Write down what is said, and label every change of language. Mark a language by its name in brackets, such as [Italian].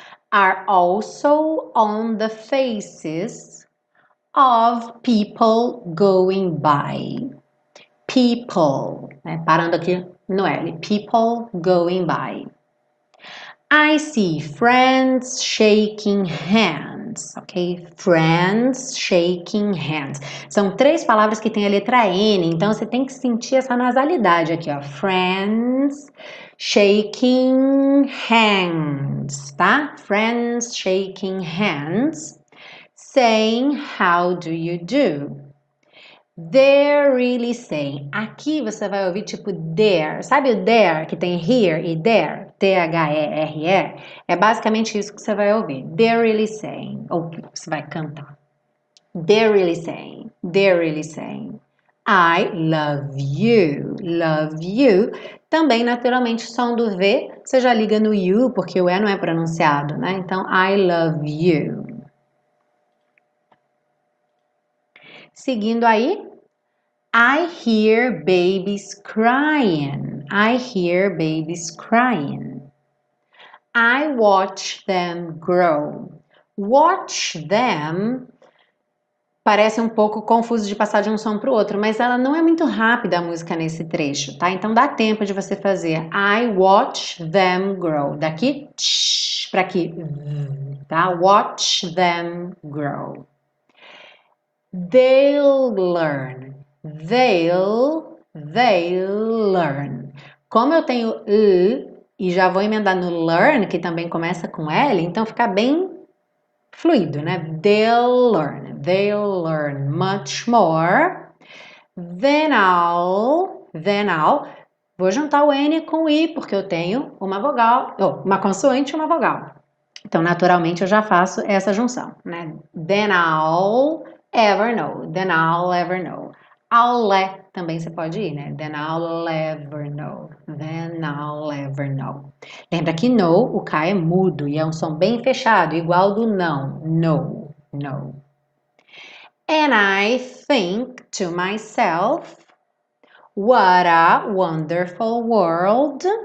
[English] Are also on the faces of people going by. [Portuguese] People, né? Parando aqui no L. [English] People going by. I see friends shaking hands. [Portuguese] Ok? [English] Friends shaking hands. [Portuguese] São três palavras que tem a letra N, então você tem que sentir essa nasalidade aqui, ó. [English] Friends shaking hands, [Portuguese] tá? [English] Friends shaking hands, saying how do you do? They're really saying. [Portuguese] Aqui você vai ouvir tipo there. Sabe o there que tem here e there? T-H-E-R-E? É basicamente isso que você vai ouvir. They're really saying. Ou você vai cantar. They're really saying. [English] They're really saying. I love you. Love you. [Portuguese] Também, naturalmente, som do V, você já liga no you, porque o E não é pronunciado, né? [English] Então, I love you. [Portuguese] Seguindo aí. [English] I hear babies crying. I hear babies crying. I watch them grow. Watch them [Portuguese] parece um pouco confuso de passar de um som para o outro, mas ela não é muito rápida a música nesse trecho, tá? Então dá tempo de você fazer. [English] I watch them grow. [Portuguese] Daqui para aqui, tá? [English] Watch them grow. They'll learn. They'll learn. [Portuguese] Como eu tenho e já vou emendar no learn, que também começa com L, então fica bem fluido, né? [English] They'll learn much more than I'll. [Portuguese] Vou juntar o N com o I, porque eu tenho uma vogal, ou uma consoante e uma vogal. Então, naturalmente, eu já faço essa junção, né? [English] Than I'll ever know. I'll let [Portuguese] também você pode ir, né? [English] Then I'll ever know. Then I'll ever know. [Portuguese] Lembra que no, o K é mudo e é um som bem fechado, igual do não. [English] No, no. And I think to myself, what a wonderful world.